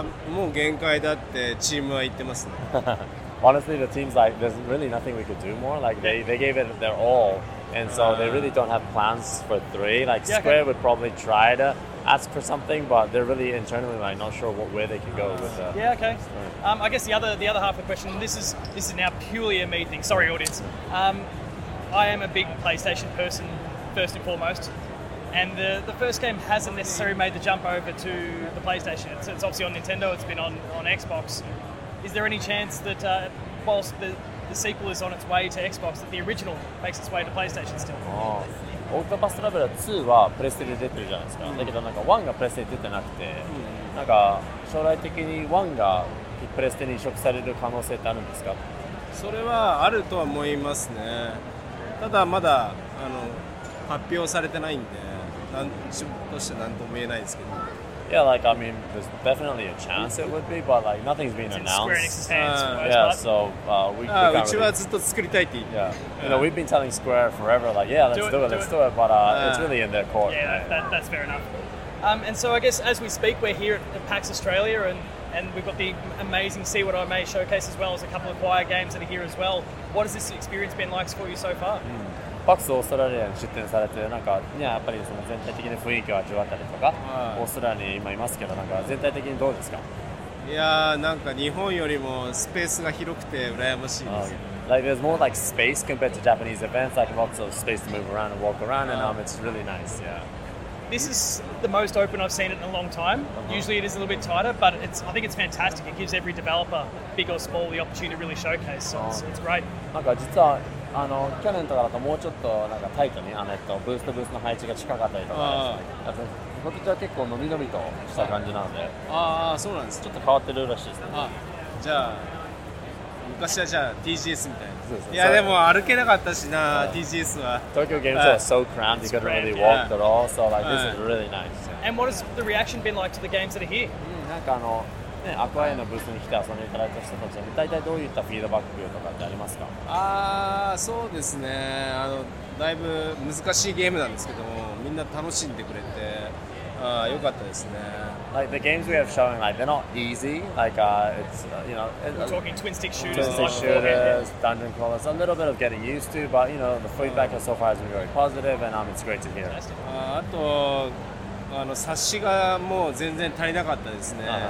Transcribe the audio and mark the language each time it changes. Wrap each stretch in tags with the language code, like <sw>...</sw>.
<ja>もう限界だってチームは言ってますね。</ja> <en>Honestly, the team's like, there's really nothing we could do more. Like, they gave it their all. And so they really don't have plans for 3. Like, Square would probably try to ask for something, but they're really internally like not sure where they can go with that. Yeah, okay. I guess the other half of the question, and this is now purely a me thing. Sorry, audience. I am a big PlayStation person, first and foremost. And the first game hasn't necessarily made the jump over to the PlayStation. It's obviously on Nintendo. It's been on Xbox. Is there any chance that whilst the sequel is on its way to Xbox, that the original makes its way to PlayStation still?</en> <ja>オクトパストラベラー2はプレステで出てるじゃないですか、うん、だけどなんか1がプレステで出てなくて、うん、なんか将来的に1がプレステに移植される可能性ってあるんですか？それはあるとは思いますね。ただまだ発表されてないんで、なんとして何とも言えないですけど。</ja> <en>Yeah, like, I mean, there's definitely a chance it would be, but, like, nothing's been announced. We've been telling Square forever, like, yeah, let's do it, but it's really in their court. Yeah, right? That's fair enough. And so I guess as we speak, we're here at PAX Australia, and we've got the amazing See What I May showcase as well as a couple of choir games that are here as well. What has this experience been like for you so far?</en> <ja>パクスオーストラリアに出展されて、なんか、ね、やっぱりその全体的な雰囲気を味わったりとか、オーストラリアに今いますけど、なんか全体的にどうですか？いやー、なんか日本よりもスペースが広くて羨ましいです。</ja> <en>Like, there's more like space compared to Japanese events, like lots of space to move around and walk around, and it's really nice, yeah. This is the most open I've seen it in a long time. Usually it is a little bit tighter, but I think it's fantastic. It gives every developer, big or small, the opportunity to really showcase, so it's great.</en> <ja>なんか実は去年とかだともうちょっとなんかタイトにブースの配置が近かったりとかですね。今年は結構伸び伸びとした感じなので。ああ、そうなんです。ちょっと変わってるらしいですね。あ、じゃあ昔はじゃあ TGS みたいな。いやでも歩けなかったしな、TGS は。</ja> <en>Tokyo Game Show is so crammed, you couldn't really walk at all, so like this is really nice. And what has the reaction been like to the games that are here?</en> <ja>なんかね、アクアイのブースに来て遊んでいただいた人たちは大体どういったフィードバックとかってありますか？そうですね、だいぶ難しいゲームなんですけども、みんな楽しんでくれて良かったですね。</ja> <en>Like the games we have showing, like they're not easy, like it's, you know, we're talking twin stick shooters, dungeon crawlers, a little bit of getting used to, but you know, the feedback so far has been very positive, and it's great to hear.</en> <ja>あと冊子がもう全然足りなかったですね。</ja>